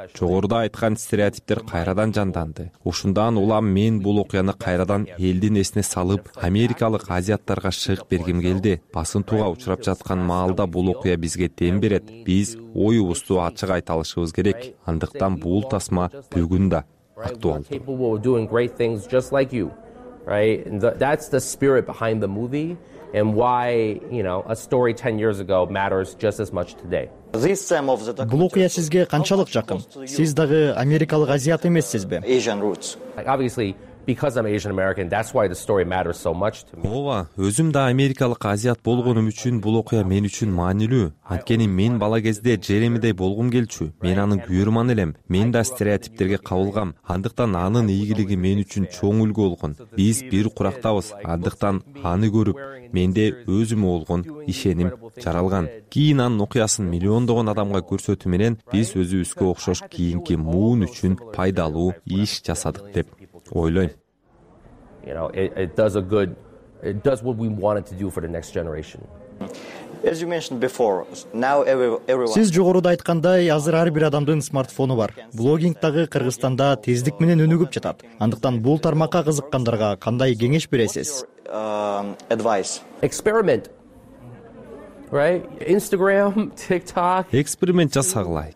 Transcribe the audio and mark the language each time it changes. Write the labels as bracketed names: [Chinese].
[Kyrgyz] Жогоруда айткан стереотиптер кайрадан жанданды. Ушундан улам мен бул окуяны кайрадан элдин эсине салып, америкалык азияттарга чыгып бергим келди. Басынтууга учурап жаткан маалда бул окуя бизге дем берет. Биз оюбузду ачык айталышыбыз керек. Андыктан бул тасма бүгүн да актуалдуу. [English] Right, and that's the spirit behind the movie and why, you know, a story 10 years ago matters just as much today. [Kyrgyz] Бул окуя сизге канчалык жакын? Сиз дагы америкалык азиат эмессизби? [English] Asian roots. Obviously, because I'm Asian American, that's why the story matters so much to me. [Kyrgyz] Ооба, өзүм да америкалык азиат болгонум үчүн бул окуя мен үчүн маанилүү. Анткени мен бала кезде Джеремидей болгум келчү. Мен анын күйөрман элем. Мен да стереотиптерге кабылгам. Андыктан анын ийгилиги мен үчүн чоң үлгү болгон. Биз бир курактабыз. Андыктан аны көрүп менде өзүмө болгон ишеним жаралган. Кийин анын окуясын миллиондогон адамга көрсөтүү менен биз өзүбүзгө окшош кийинки муун үчүн пайдалуу иш жасадык деп ойлойм. [English] You know, it does what we wanted to do for the next generation. As you mentioned before, now everyone. [Kyrgyz] Сиз жогоруда айткандай, азыр ар бир адамдын смартфону бар. Блогинг дагы Кыргызстанда тездик менен өнүгүп жатат. Андыктан бул тармакка кызыккандарга кандай кеңеш бересиз? [English] Advice. Experiment. Right? Instagram, TikTok. [Kyrgyz] Эксперимент жасагылай.